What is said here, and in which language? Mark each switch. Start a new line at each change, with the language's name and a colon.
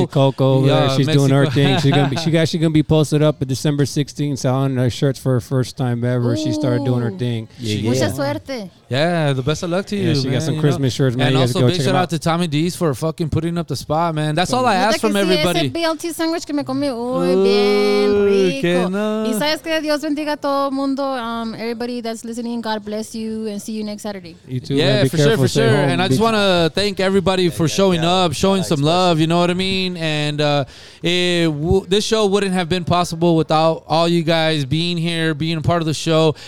English: Mexico Coco, yeah, she's Mexico. Doing her thing. She's gonna be posted up at December 16th selling her shirts for her first time ever. Ooh. She started doing her thing.
Spanish: Mucha suerte.
English: Yeah, the best of luck to you. Yeah, she got some Christmas shirts, man. And you also, go big check shout out to Tommy D's for fucking putting up the spot, man. That's all I asked from everybody.
Spanish: Ese BLT sandwich que me comí, uy, bien rico. Y sabes que Dios bendiga a todo mundo.
English: Everybody that's listening, God bless you, and see you next Saturday. You too. Yeah, man, for careful, sure, for sure. Home. And I just want to thank everybody for showing up, showing some love. You know what I mean? And this show wouldn't have been possible without all you guys being here, being a part of the show.